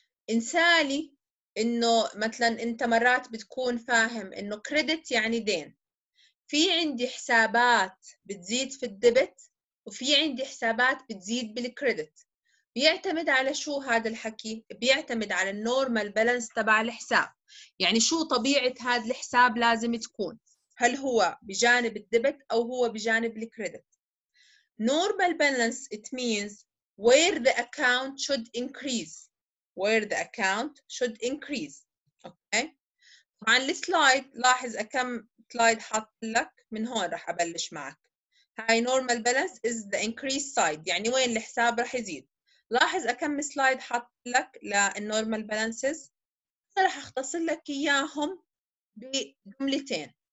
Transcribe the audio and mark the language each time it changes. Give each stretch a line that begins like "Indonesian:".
Arabic: انسالي انه مثلا انت مرات بتكون فاهم انه كريدت يعني دين، في عندي حسابات بتزيد في الديبت وفي عندي حسابات بتزيد بالكريدت. بيعتمد على شو هذا الحكي؟ بيعتمد على النورمال بالانس تبع الحساب، يعني شو طبيعة هذا الحساب لازم تكون، هل هو بجانب الديبت او هو بجانب الكريدت.
English: Normal balance it means where the account should increase. Where the account should increase. Okay.
Arabic: طبعاً السلايد لاحظ كم سلايد حاط لك، من هون رح أبلش معك. هاي
English: normal balance is the increase side.
Arabic: يعني وين الحساب رح يزيد. لاحظ كم سلايد حاط لك للnormal balances. رح أختصر لك إياهم بجملتين.